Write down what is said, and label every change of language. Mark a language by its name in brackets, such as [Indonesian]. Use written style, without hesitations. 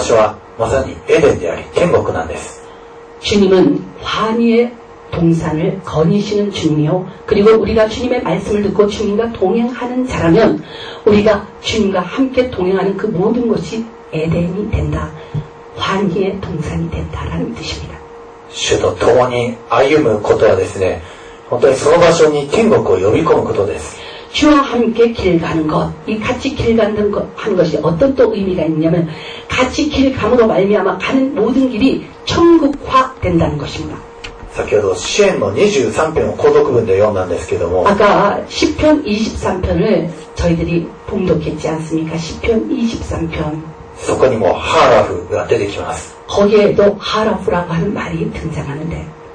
[Japanese] そして私たちが主と共に歩き回るのであるならば、その場所はまさにエデンであり、天国なんです。 [Korean] 주님은 환희의 동산을 거니시는 주님이요. 그리고 우리가 주님의 말씀을 듣고 주님과 동행하는 자라면, 우리가 주님과 함께 동행하는 그 모든 것이 에덴이 된다. 환희의 동산이 된다라는 뜻입니다. [Japanese] 主と共に歩むことはですね、本当にその場所に天国を呼び込むことです。 [Korean] 주와 함께 길 가는 것, 이 같이 길 가는 것 하는 것이 어떤 또 의미가 있냐면 같이 길 감으로 말미암아 가는 모든 길이 천국화 된다는 것입니다. [Japanese] 先ほど 詩篇の23편を購読文で読んだんですけども [Korean] 아까 시편 23편을 저희들이 봉독했지 않습니까? 시편 23편. [Japanese] そこにもハーラフが出てきます. [Korean] 거기에도 하라프라고 하는 말이 등장하는데.